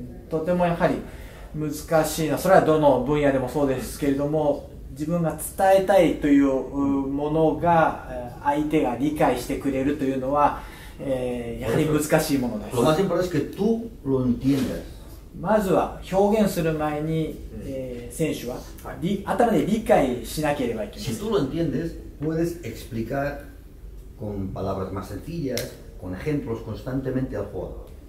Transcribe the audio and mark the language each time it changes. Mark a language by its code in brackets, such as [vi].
[ja] Totemo yahari mutsukashii no, sore wa dono bunya de mo sou desu keredomo, jibun ga tsutaetai という mono ga相手が理解してくれるというのは、やはり難しいものです。まずは表現する前に、選手は、はい、頭で理解しなければいけません。 [es] Si tú lo entiendes, puedes explicar con palabras más sencillas, con ejemplos constantemente al jugador.